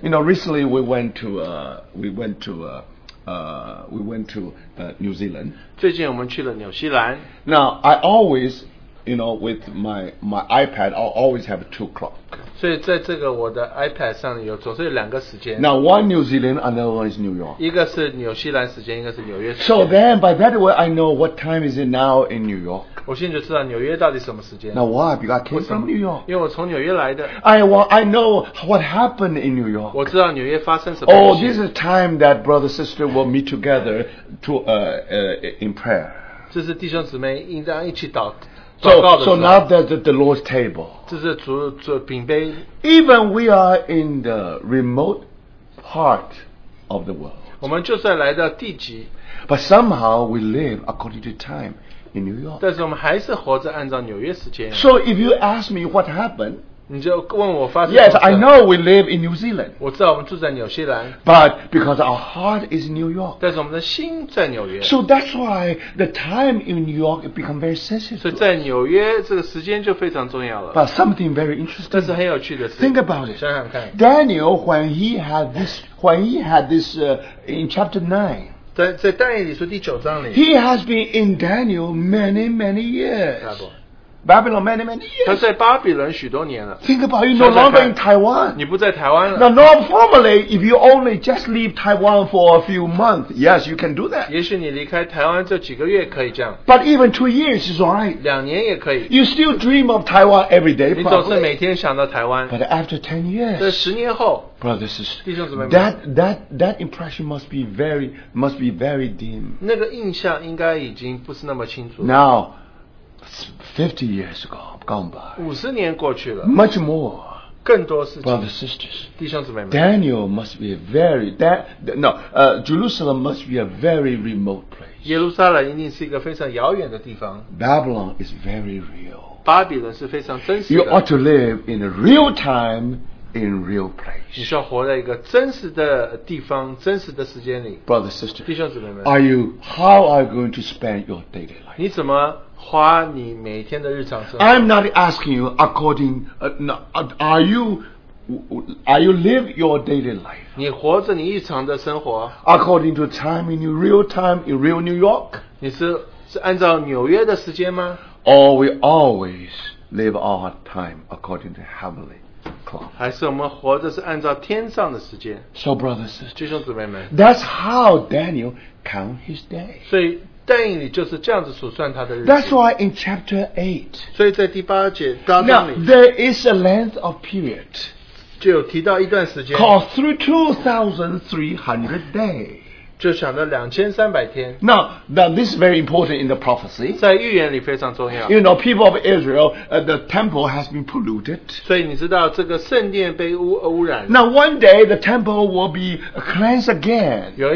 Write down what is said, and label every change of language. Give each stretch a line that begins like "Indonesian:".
English: You know, recently we went to New Zealand.
Chinese: 最近我们去了纽西兰.
English: Now I always, you know, with my iPad, I always have 2 o'clock.
Chinese: 所以在这个我的 iPad 上有总是有两个时间.
English: Now one New Zealand, another one is New York.
Chinese: 一个是纽西兰时间，一个是纽约时间.
English: So then, by that way, I know what time is it now in New York.
Chinese: 我现在就知道纽约到底什么时间.
English: Now why? Because I came from New York.
Chinese: 因为我从纽约来的.
English: I know what happened in New York.
Chinese: 我知道纽约发生什么事.
English: Oh, this is time that brother sister will meet together to in prayer.
Chinese: 这是弟兄姊妹应当一起祷.
English: So not the Lord's table.
Chinese: 这是主饼杯.
English: Even we are in the remote part of the world.
Chinese: 我们就算来到地极.
English: But somehow we live according to time in New York.
Chinese: 但是我们还是活着按照纽约时间.
English: So if you ask me what happened,
Chinese: 你就问我发生什么事?
English: Yes, I know we live in New Zealand.
Chinese: 我知道我们住在纽西兰.
English: But because our heart is in New York.
Chinese: 但是我们的心在纽约.
English: So that's why the time in New York become very sensitive.
Chinese: 所以在纽约这个时间就非常重要了.
English: But something very interesting.
Chinese: 但是很有趣的是,
English: think about it.
Chinese: 想想看,
English: Daniel, when he had this in chapter 9.
Chinese: 在但以理书第九章里,
English: he has been in Daniel many, many years. Babylon many, many years.
Chinese: 他在巴比伦许多年了.
English: Think about it, you're no longer in Taiwan.
Chinese: 你不在台湾了.
English: Now, normally, if you only just leave Taiwan for a few months, yes, you can do that.
Chinese: 也许你离开台湾这几个月可以这样.
English: But even 2 years is all right.
Chinese: 两年也可以.
English: You still dream of Taiwan every day, probably.
Chinese: 你总是每天想到台湾.
English: But after 10 years,
Chinese: 这十年后,
English: brothers and sisters,
Chinese: 弟兄姊妹们,
English: that impression must be very dim.
Chinese: 那个印象应该已经不是那么清楚.
English: Now, 50 years ago, gone by.
Chinese: 50年过去了,
English: much more.
Chinese: 更多事情,
English: brothers and sisters.
Chinese: 弟兄姊妹们,
English: Daniel must be a very... Jerusalem must be a very remote place.
Chinese: 耶路撒冷一定是一个非常遥远的地方.
English: Babylon is very real.
Chinese: 巴比伦是非常真实的.
English: You ought to live in a real time, in real place.
Chinese: 你需要活在一个真实的地方, 真实的时间里.
English: Brothers and sisters,
Chinese: 弟兄姊妹们,
English: how are you going to spend your daily life?
Chinese: 你怎么...
English: I'm not asking you according. Are you live your daily life?
Chinese: 你活着你日常的生活?
English: According to time in real time in real New York?
Chinese: 你是按照纽约的时间吗?
English: Or we always live our time according to heavenly clock?
Chinese: 还是我们活着是按照天上的时间?
English: So brothers,
Chinese: 弟兄姊妹们,
English: that's how Daniel count his day.
Chinese: 所以,
English: that's why in chapter 8.
Chinese: 所以在第八节当中里,
English: now, there is a length of period.
Chinese: 就有提到一段时间,
English: called through 2,300 days.
Chinese: 就想到2,300天.
English: Now, this is very important in the prophecy.
Chinese: 在预言里非常重要.
English: You know, people of Israel, the temple has been polluted.
Chinese: 所以你知道这个圣殿被污染.
English: Now, one day the temple will be cleansed again.